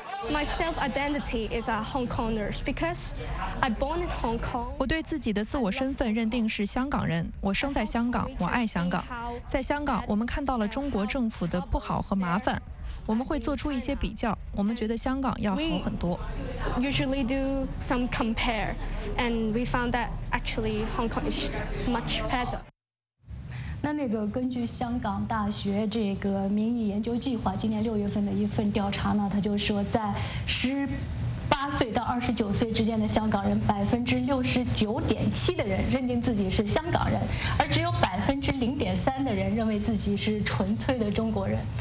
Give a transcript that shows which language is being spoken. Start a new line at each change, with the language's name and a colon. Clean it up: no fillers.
English: My self-identity is a Hong Konger because I born in Hong Kong.
Chinese: 我对自己的自我身份认定是香港人，我生在香港，我爱香港。在香港，我们看到了中国政府的不好和麻烦，我们会做出一些比较，我们觉得香港要好很多。
English: We usually do some compare, and we found that actually Hong Kong is much better.
Chinese: 那个根据香港大学这个民意研究计划今年6月份的一份调查呢，他就说在18岁到29岁之间的香港人，69.7%的人认定自己是香港人，而只有0.3%的人认为自己是纯粹的中国人。